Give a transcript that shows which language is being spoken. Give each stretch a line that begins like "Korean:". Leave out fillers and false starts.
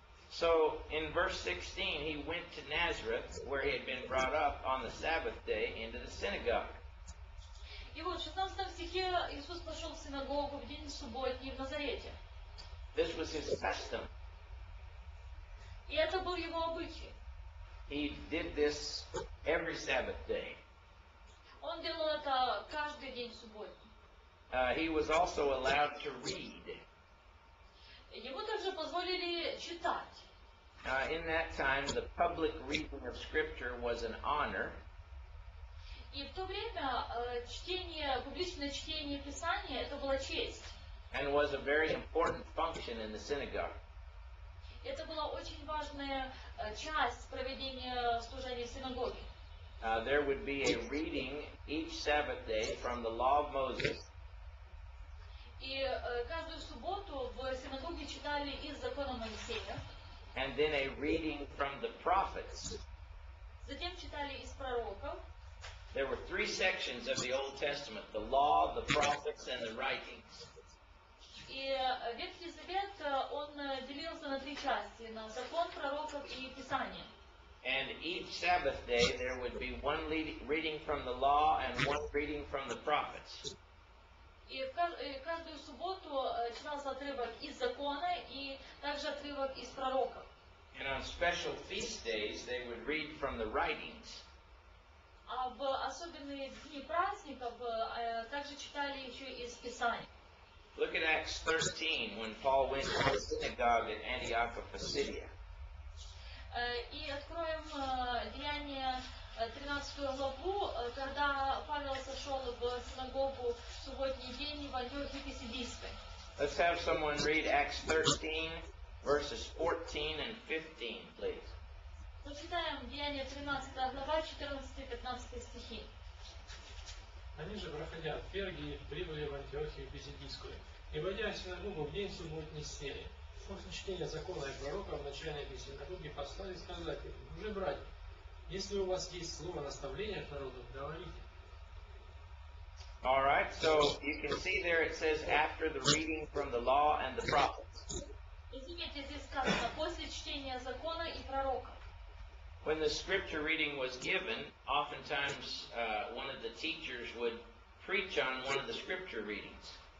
English: So, in verse 16, he went to Nazareth, where he had been brought up on the Sabbath day, into the synagogue.
Russian: И вот, в 16 стихе Иисус пошел в синагогу в день субботний в Назарете.
English: This was his custom.
Russian: И это был его обычай.
English: He did this every Sabbath day.
Russian: Он делал это каждый день субботний.
English: He was also allowed to read.
Russian: Ему также позволили читать.
English: In that time, the public reading of Scripture was an honor.
Russian: И в то время чтение, публичное чтение Писания, это была честь.
English: And was a very important function in the synagogue.
Russian: Это была очень важная часть проведения служения в синагоге.
English: There would be a reading each Sabbath day from the Law of Moses.
Russian: И каждую субботу в синагоге читали из Закона Моисея.
English: And then a reading from the prophets.
Russian: Затем читали из пророков.
English: There were three sections of the Old Testament: the Law, the Prophets, and the Writings.
Russian: И Ветхий Завет, он делился на три части: на закон, пророков и Писание.
English: And each Sabbath day there would be one reading from the Law and one reading from the Prophets.
Russian: И каждую субботу читался отрывок из закона и также отрывок из пророков.
English: And on special feast days they would read from the Writings.
Russian: А в особенные дни праздников также читали еще из Писания.
English: Look at Acts 13, when Paul went to the synagogue at Antioch of Pisidia.
Russian: И откроем Деяния 13 главу, когда Павел сошел в синагогу в субботний день в Антиохии Писидийской.
English: Let's have someone read Acts 13, verses 14 and 15, please.
Russian: Прочитаем Деяния 13 глава, 14-15 стихи. Они же, проходя от Пергии, прибыли в Антиохию Писидийскую. И войдя в синагогу в день субботний сели. После чтения закона и пророка в начальнике синагоги послали сказать им: «Уже, братья, если у вас есть слово наставления к народу, говорите».
English: All right, so you can see there it says after the reading from the Law and the Prophets.
Russian: Извините, здесь сказано после чтения закона и пророка.
English: When the scripture reading was given, oftentimes one of the teachers would preach on one of the scripture readings.